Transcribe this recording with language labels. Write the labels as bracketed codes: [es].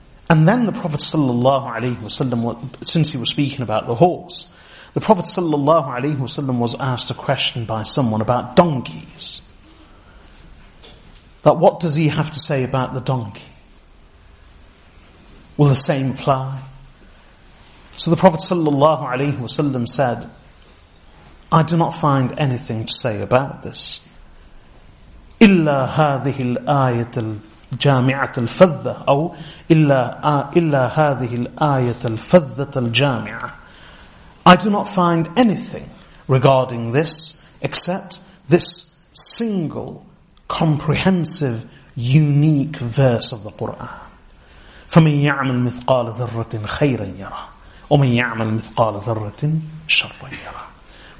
[en] And then the Prophet sallallahu alaihi wasallam, since he was speaking about the horse, the Prophet sallallahu alaihi wasallam was asked a question by someone about donkeys. That what does he have to say about the donkey? Will the same apply? So the Prophet sallallahu alaihi wasallam said, I do not find anything to say about this. [ar] Illa hadhihi al-ayat al جامعه الفذه او الا هذه الايه الفذه الجامعه. [en] I do not find anything regarding this except this single comprehensive unique verse of the Quran. [ar] فمن يعمل مثقال ذره خيرا يره ومن يعمل مثقال ذره شرا يره.